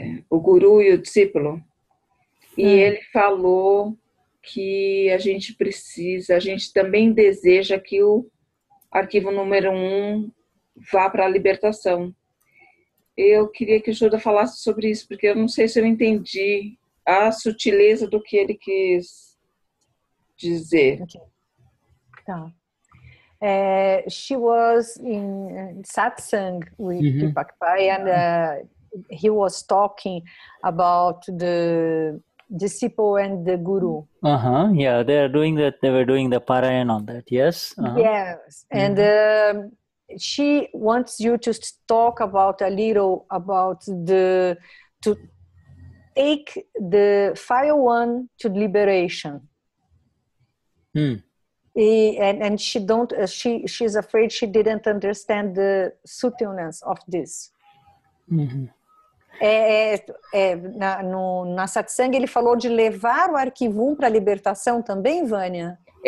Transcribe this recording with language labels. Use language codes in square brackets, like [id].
[pt] o guru e o discípulo, e ele falou que a gente precisa, a gente também deseja que o arquivo número 1 vá para a libertação. Eu queria que o Judah falasse sobre isso, porque eu não sei se eu entendi a sutileza do que ele quis dizer. Okay. Tá. [en] She was in satsang with Deepak Pai, and he was talking about the disciple and the guru. Yeah, they are doing that. They were doing the parayan on that. Yes. Yes. And she wants you to talk about a little about the to take the file one to liberation. She's afraid she didn't understand the sutileness of this. [pt] Na satsang ele falou de levar o arquivo 1 para a libertação também, Vânia?